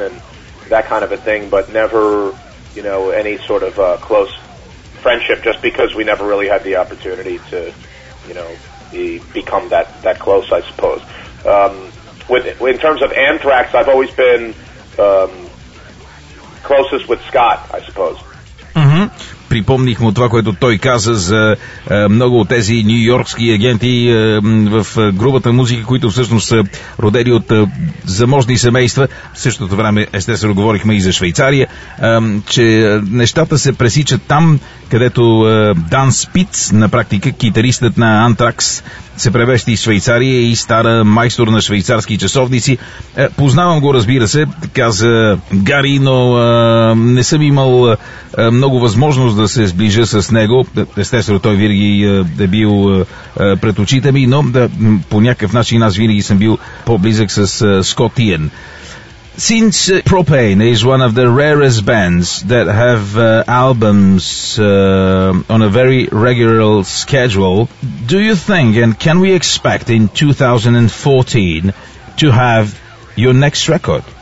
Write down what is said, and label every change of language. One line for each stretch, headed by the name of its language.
English: And that kind of a thing. But never, you know, any sort of close friendship, just because we never really had the opportunity to, you know, become that close, I suppose. In terms of Anthrax, I've always been closest with Scott, I suppose. Mm-hmm.
Bulgarian: Припомних му това, което той каза за много от тези нью-йоркски агенти в грубата музика, които всъщност са родени от заможни семейства. В същото време, естествено, говорихме и за Швейцария, че нещата се пресичат там, където Дан Спиц, на практика китаристът на Anthrax, се превещи в Швейцария и стара майстор на швейцарски часовници. Познавам го, разбира се, каза Гари, но не съм имал много възможност да се сближа с него. Естествено, той винаги е бил пред очите ми, но по някакъв начин аз винаги съм бил по-близък с Скот Иен.
English: Since Propane is one of the rarest bands that have albums on a very regular schedule, do you think and can we expect in 2014 to have your next record?